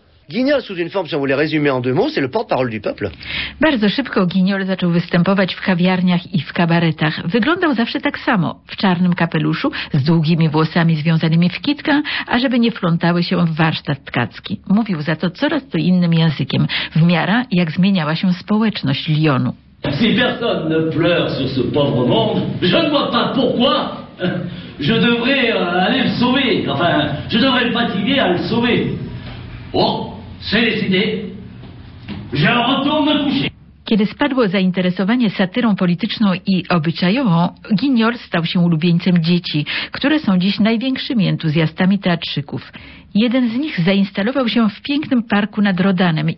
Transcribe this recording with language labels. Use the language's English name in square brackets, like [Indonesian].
[French] Giniol sous une forme, si on voulait résumer en deux mots, c'est le porte-parole du peuple. [Polish] Bardzo szybko Giniol zaczął występować w kawiarniach i w kabaretach. Wyglądał zawsze tak samo, w czarnym kapeluszu, z długimi włosami związanymi w kitkę, ażeby nie wplątały się w warsztat tkacki. Mówił za to coraz to innym językiem, w miarę jak zmieniała się społeczność Lyonu. [French] Si personne ne pleure sur ce pauvre monde, je ne vois pas pourquoi je devrais aller le sauver. Enfin, je devrais le fatiguer à le sauver. [Polish] Kiedy spadło zainteresowanie satyrą polityczną i obyczajową, Giniol stał się ulubieńcem dzieci, które są dziś największymi entuzjastami teatrzyków. Jeden z nich zainstalował się w pięknym parku nad Rodanem.